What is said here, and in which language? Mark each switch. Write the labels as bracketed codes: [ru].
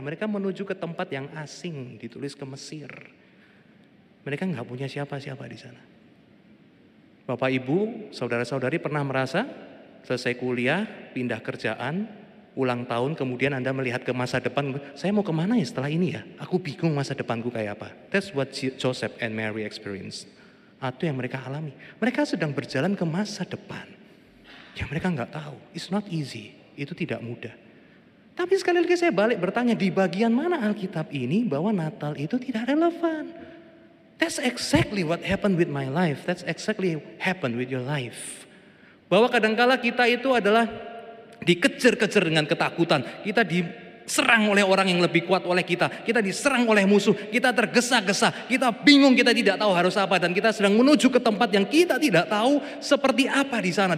[id] Mereka menuju ke tempat yang asing, ditulis ke Mesir. Mereka enggak punya siapa-siapa di sana. Bapak, ibu, saudara-saudari pernah merasa selesai kuliah, pindah kerjaan, ulang tahun, kemudian Anda melihat ke masa depan. Saya mau kemana ya setelah ini ya? Aku bingung masa depanku kayak apa. [en] That's what Joseph and Mary experience. [id] Itu yang mereka alami. Mereka sedang berjalan ke masa depan. Ya, mereka enggak tahu. [en] It's not easy. [id] Itu tidak mudah. Tapi sekali lagi saya balik bertanya, di bagian mana Alkitab ini bahwa Natal itu tidak relevan? [en] That's exactly what happened with my life. That's exactly happened with your life. [id] Bahwa kadangkala kita itu adalah dikejar-kejar dengan ketakutan. Kita diserang oleh orang yang lebih kuat oleh kita. Kita diserang oleh musuh. Kita tergesa-gesa. Kita bingung, kita tidak tahu harus apa. Dan kita sedang menuju ke tempat yang kita tidak tahu seperti apa di sana.